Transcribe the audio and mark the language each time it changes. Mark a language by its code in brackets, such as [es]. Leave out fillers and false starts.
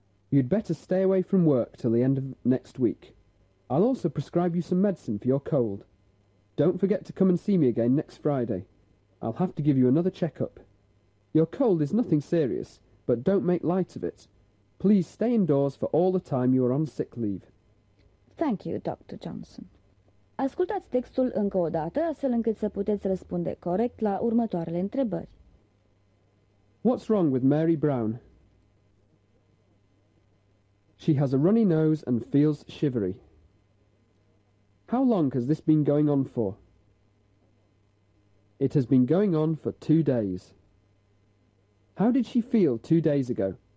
[en] You'd better stay away from work till the end of next week. I'll also prescribe you some medicine for your cold. Don't forget to come and see me again next Friday. I'll have to give you another checkup. Your cold is nothing serious, but don't make light of it. Please stay indoors for all the time you are on sick leave. Thank you, Dr. Johnson. [ro] Ascultați textul încă o dată, astfel încât să puteți răspunde corect la următoarele întrebări. [en] What's wrong with Mary Brown? She has a runny nose and feels shivery. How long has this been going on for? It has been going on for 2 days. How did she feel 2 days ago?